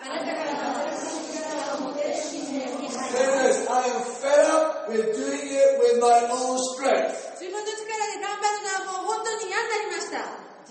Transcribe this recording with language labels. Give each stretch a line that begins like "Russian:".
Japanese: あなたからの新しい力を持って新年に入ります。
English: Say this, I am fed up with doing it with my own strength.
Japanese: 自分の力で頑張るのはもう本当に嫌になりました。